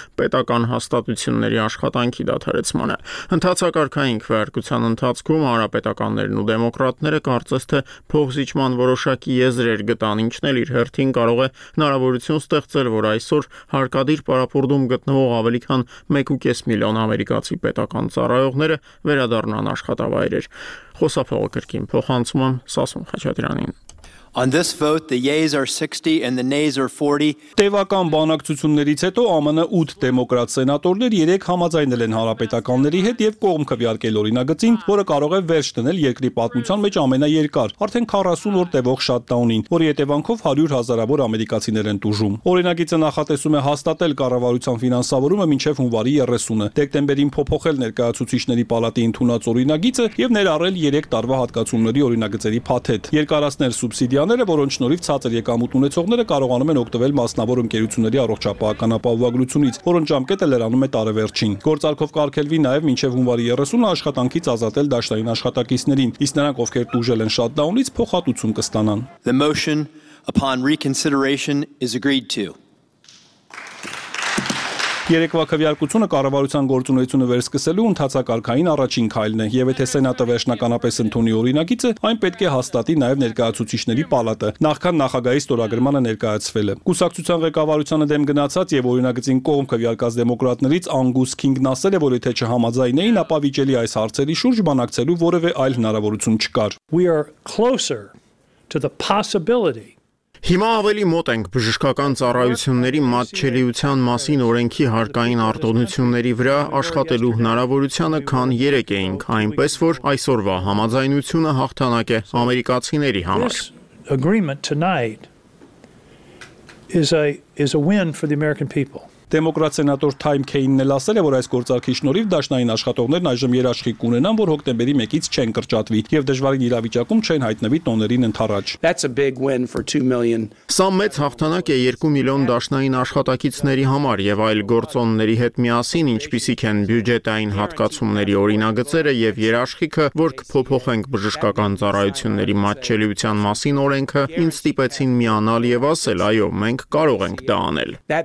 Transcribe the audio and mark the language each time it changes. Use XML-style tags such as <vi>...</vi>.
<hy>պետական հաստատությունների աշխատանքի դադարեցմանը։ Ընթացակարգային քվեարկության ընթացքում հանրապետականներն ու դեմոկրատները կարծես թե փոխզիջման որոշակի եզրեր գտան, ինչն էլ իր հերթին կարող է հնարավորություն ստեղծել, որ այսօր հարկադիր պարապորդում գտնվող ավելի քան 1.5 միլիոն ամերիկացի պետական ծառայողները վերադառնան աշխատավայրեր։ Խոսափողը կրկին փոխանցում եմ Սասուն Խաչատրյանին։</hy> <en>On this vote, the yeas are 60 and the nays are 40.</en> <hy>Տևական բանակցություններից հետո ԱՄՆ-ը 8 դեմոկրատ սենատորներ 3 համաձայնել են հանրապետականների հետ եւ կողմ քվեարկել օրինագծին, որը կարող է վերջ դնել երկրի պատմության մեջ ամենաերկար, արդեն 40 օր տևող շատդաունին, որի հետևանքով 100 հազարավոր ամերիկացիներ են տուժում։ Օրինագիծը նախատեսում է հաստատել կառավարության ֆինանսավորումը մինչև հունվարի 30-ը, դեկտեմբերին փոփոխել ներկայացուցիչների պալատի ընդունած օրինագիծը եւ ներառել 3 տարվա հատկացումների օրինագծերի փաթեթ։ Երկարացնել սուբսիդիաները, որոնց շնորհիվ ցածր եկամուտ ունեցողները կարողանում են օգտվել մասնավոր ընկերությունների առողջապահական ապահովագրությունից, որոնց ժամկետը լրանում է տարեվերջին։ Գործարքով կարգելվի նաև մինչև հունվարի 30-ը աշխատանքից ազատել դաշտային աշխատակիցներին, իսկ նրանք, ովքեր տուժել են շատդաունից, փոխհատուցում կստանան։</hy> <en>The motion upon reconsideration is agreed to.</en> <hy>Երեկվա քվեարկությունը կառավարության գործունեությունը վերսկսելու ընթացակարգային առաջին քայլն է, եւ եթե սենատը վերջնականապես ընդունի օրինագիծը, այն պետք է հաստատի նաեւ ներկայացուցիչների պալատը, նախքան նախագահի ստորագրմանը ներկայացվել է։ Կուսակցության ղեկավարությանը դեմ գնացած եւ օրինագծին կողմ քվեարկած դեմոկրատներից Անգուս Քինգն ասել է, որ եթե չհամաձայնեին, ապա վիճելի այս հարցերի շուրջ բանակցելու որևէ այլ հնարավորություն չկար։</hy> <en>We are closer to the possibility.</en> <hy>Հիմա ավելի մոտ ենք բժշկական ծառայությունների մատչելիության մասին օրենքի հարկային արտոնությունների վրա աշխատելու հնարավորությանը, քան երեկ էինք, այնպես որ այսօրվա համաձայնությունը հաղթանակ է ամերիկացիների համար.</hy> <en>Agreement tonight is a win for the American people.</en> <hy>Դեմոկրատ սենատոր Թայմ Քեյնն էլ ասել է, որ այս գործարքի շնորհիվ դաշնային աշխատողներն այժմ երաշխիք կունենան, որ հոկտեմբերի 1-ից չեն կրճատվի եւ դժվարին իրավիճակում չեն հայտնվի տոներին ընդառաջ։ Սա մեծ հաղթանակ է 2 միլիոն դաշնային աշխատակիցների համար եւ այլ գործոնների հետ միասին, ինչպիսիք են բյուջետային հատկացումների օրինագծերը եւ երաշխիքը, որ կփոփոխենք բժշկական ծառայությունների մատչելիության մասին օրենքը, ինձ ստիպեցին միանալ եւ ասել, այո, մենք կարող ենք դա անել։</hy>